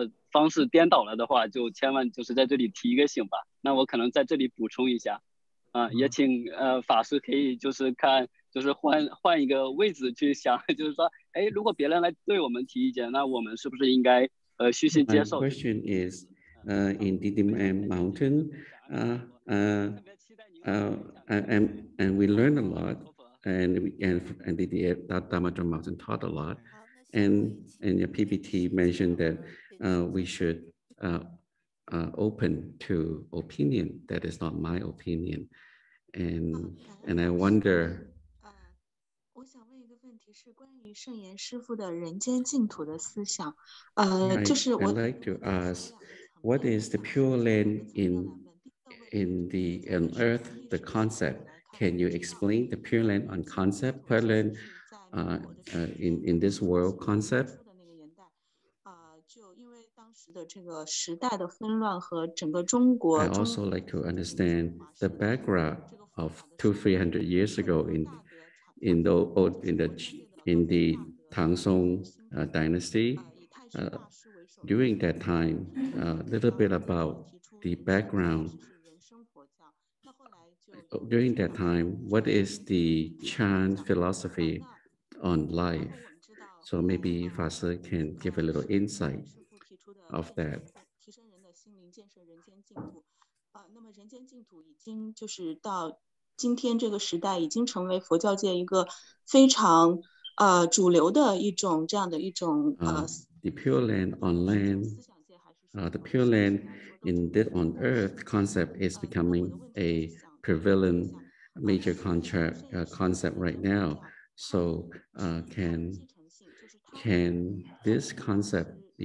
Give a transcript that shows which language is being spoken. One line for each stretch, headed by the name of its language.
Chinese: 方式颠倒了的话，就千万就是在这里提一个醒吧。那我可能在这里补充一下，也请法师可以就是看，就是换一个位置去想，就是说，哎，如果别人来对我们提意见，那我们是不是应该虚心接受
English: ？My question is, in DDMM Mountain, and we learn a lot, and the Dharma Drum Mountain taught a lot, and your PPT mentioned that. We should open to opinion that is not my opinion. And I wonder.
Chinese: 我想问一个问题是关于圣严师父的人间净土的思想。就是我
English: I'd like to ask, what is the Pure Land in Earth, the concept? Can you explain the Pure Land on concept, Pure Land in this world concept? I also like to understand the background of 200-300 years ago in the Tang Song dynasty. During that time, a little bit about the background. During that time, what is the Chan philosophy on life? So maybe Fa Si can give a little insight. Of that.
Chinese: 提升人的心灵，建设人间净土。那么人间净土已经就是到今天这个时代，已经成为佛教界一个非常主流的一种这样的一种
English: The pure land on land, the pure land in this on earth concept is becoming a prevalent major concept right now. So can this concept?